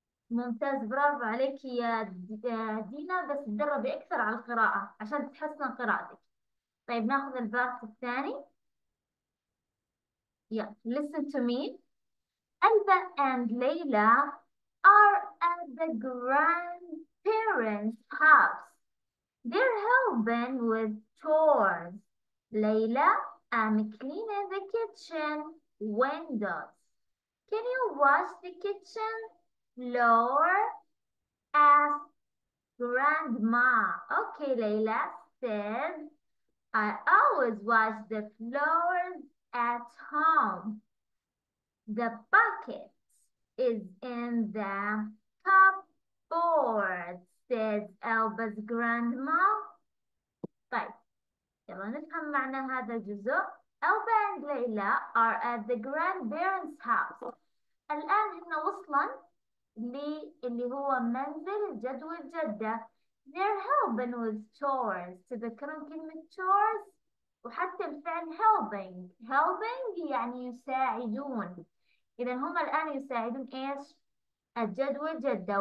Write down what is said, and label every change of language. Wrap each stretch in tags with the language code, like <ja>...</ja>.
<ar>ممتاز، برافو عليك يا دينا، بس تدربي أكثر على القراءة عشان تحسن قراءتك. طيب ناخذ الباص الثاني.</ar> <en>Yeah, listen to me. Alba and Layla are at the grandparents' house. They're helping with chores. Layla, I'm cleaning the kitchen windows. Can you wash the kitchen floor? Asked Grandma. Okay, Layla says, I always wash the floors at home. The bucket is in the cupboard, says Alba's grandma.</en> <ar>طيب يلا نفهم معنى هذا الجزء.</ar> <en>Alba and Layla are at the grandparents' house.</en> <ar>الآن هنا وصلنا اللي هو منزل الجد والجدة.</ar> <en>They're helping with chores.</en> <ar>تذكرون كلمة chores؟ وحتى الفعل helping. Helping يعني يساعدون. إذا هم الآن يساعدون إيش؟ الجد والجدة.</ar>